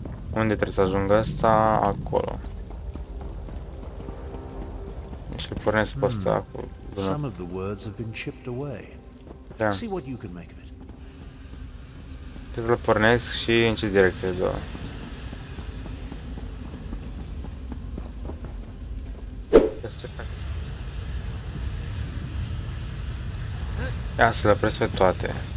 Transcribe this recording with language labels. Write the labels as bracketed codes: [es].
[ro] Unde trebuie să ajung ăsta? Acolo. Și-l pornesc pe ăsta acolo. [en] Some of the words have been chipped away. See what you can make of it. [ro] Trebuie să-l pornesc și în ce direcție doar. Ia să le opresc pe toate.